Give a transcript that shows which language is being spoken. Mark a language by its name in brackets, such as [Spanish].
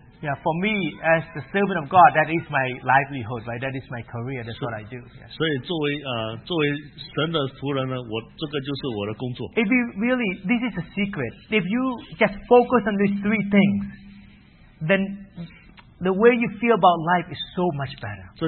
[English] Yeah, for me as the servant of God, that is my livelihood, right? That is my career. That's what I do. Yeah. [Chinese] 所以作为神的仆人呢，我这个就是我的工作。 [English] If you really, this is a secret. If you just focus on these three things, then the way you feel about life is so much better.